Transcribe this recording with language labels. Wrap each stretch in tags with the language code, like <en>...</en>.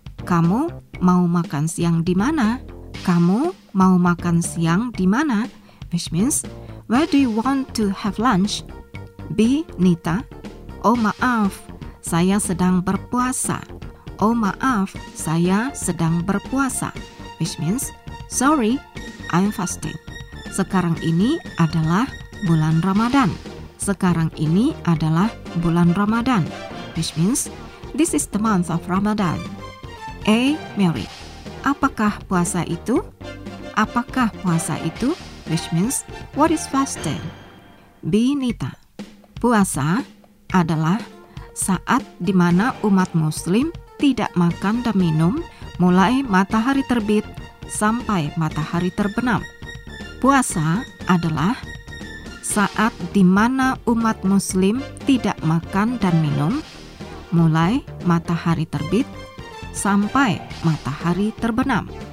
<id>Kamu mau makan siang di mana? Kamu mau makan siang di mana?</id> <en>Which means, where do you want to have lunch? B.</en> <id>Nita, oh maaf, saya sedang berpuasa. Oh maaf, saya sedang berpuasa.</id> <en>Which means, sorry, I'm fasting.</en> <id>Sekarang ini adalah bulan Ramadan. Sekarang ini adalah bulan Ramadan.</id> <en>Which means, this is the month of Ramadan. A.</en> <id>Mary, apakah puasa itu? Apakah puasa itu?</id> <en>Which means, what is fasting? B.</en> <id>Nita, puasa adalah saat di mana umat muslim tidak makan dan minum mulai matahari terbit sampai matahari terbenam. Puasa adalah saat di mana umat muslim tidak makan dan minum mulai matahari terbit sampai matahari terbenam.</id>